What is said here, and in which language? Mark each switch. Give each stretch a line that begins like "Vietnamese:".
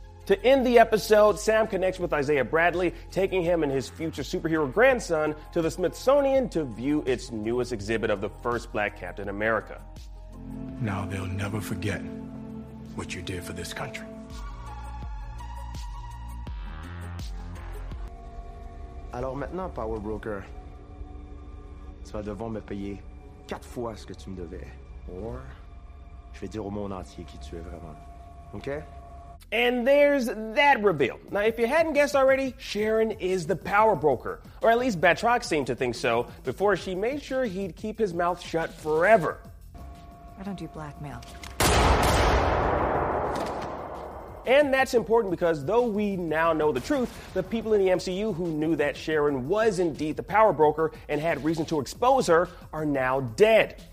English: To end the episode, Sam connects with Isaiah Bradley, taking him and his future superhero grandson to the Smithsonian to view its newest exhibit of the first Black Captain America. Now they'll never forget what you did for this country.
French: Alors maintenant, Power Broker, tu vas devoir me payer quatre fois ce que tu me devais. Or, je vais dire au monde entier qui tu es vraiment.
English: OK? And there's that reveal. Now, if you hadn't guessed already, Sharon is the Power Broker. Or at least Batroc seemed to think so, before she made sure he'd keep his mouth shut forever. I don't do blackmail. And that's important because though we now know the truth, the people in the MCU who knew that Sharon was indeed the Power Broker and had reason to expose her are now dead.